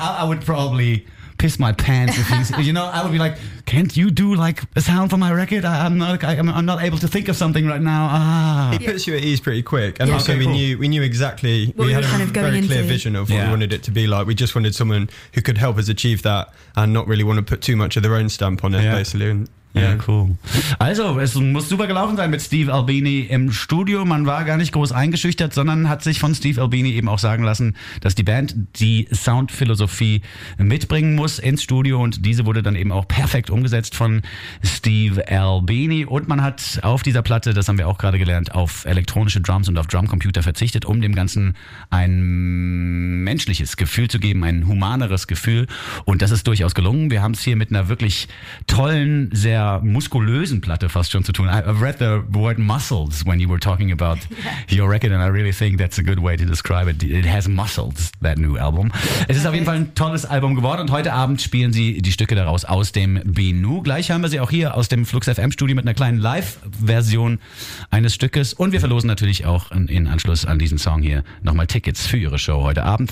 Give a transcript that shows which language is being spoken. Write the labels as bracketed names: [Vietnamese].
[English] I would probably piss my pants if he's, you know, I would be like, can't you do like a sound for my record? I'm not able to think of something right now. He puts you at ease pretty quick. And also we knew exactly what we had kind of a very clear vision of what we wanted it to be like. We just wanted someone who could help us achieve that and not really want to put too much of their own stamp on it, basically. And, cool. [German] Also, es muss super gelaufen sein mit Steve Albini im Studio. Man war gar nicht groß eingeschüchtert, sondern hat sich von Steve Albini eben auch sagen lassen, dass die Band die Soundphilosophie mitbringen muss ins Studio, und diese wurde dann eben auch perfekt umgesetzt von Steve Albini. Und man hat auf dieser Platte, das haben wir auch gerade gelernt, auf elektronische Drums und auf Drumcomputer verzichtet, um dem Ganzen ein menschliches Gefühl zu geben, ein humaneres Gefühl. Und das ist durchaus gelungen. Wir haben es hier mit einer wirklich tollen, sehr muskulösen Platte fast schon zu tun. [English] I've read the word muscles when you were talking about your record, and I really think that's a good way to describe it. It has muscles, that new album. [German] Es ist auf jeden Fall ein tolles Album geworden, und heute Abend spielen sie die Stücke daraus aus dem Benu. Gleich haben wir sie auch hier aus dem Flux FM Studio mit einer kleinen Live-Version eines Stückes, und wir verlosen natürlich auch in Anschluss an diesen Song hier nochmal Tickets für ihre Show heute Abend.